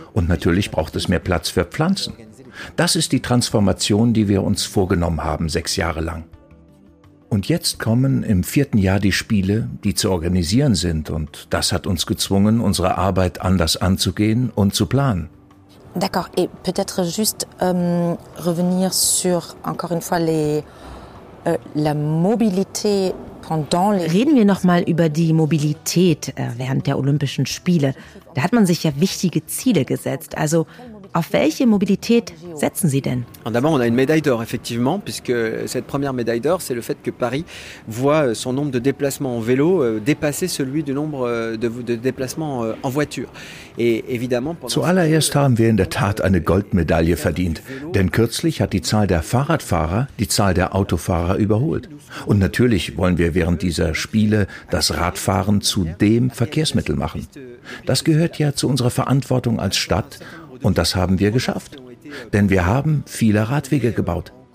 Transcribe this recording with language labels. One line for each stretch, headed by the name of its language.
German: Und natürlich braucht es mehr Platz für Pflanzen. Das ist die Transformation, die wir uns vorgenommen haben, 6 Jahre lang. Und jetzt kommen im 4. Jahr die Spiele, die zu organisieren sind. Und das hat uns gezwungen, unsere Arbeit anders anzugehen und zu planen.
French: D'accord. Et peut-être juste revenir sur encore une fois la mobilité.
German: Reden wir nochmal über die Mobilität während der Olympischen Spiele. Da hat man sich ja wichtige Ziele gesetzt. Also auf welche Mobilität setzen Sie denn?
French: D'abord, on a une médaille d'or, effectivement, puisque cette première médaille d'or, c'est le fait que Paris voit son nombre de déplacements en vélo dépasser celui du nombre de déplacements en voiture. Et évidemment,
German: zuallererst haben wir in der Tat eine Goldmedaille verdient, denn kürzlich hat die Zahl der Fahrradfahrer die Zahl der Autofahrer überholt. Und natürlich wollen wir während dieser Spiele das Radfahren zu dem Verkehrsmittel machen. Das gehört ja zu unserer Verantwortung als Stadt. Und das haben wir geschafft, denn wir haben viele Radwege gebaut.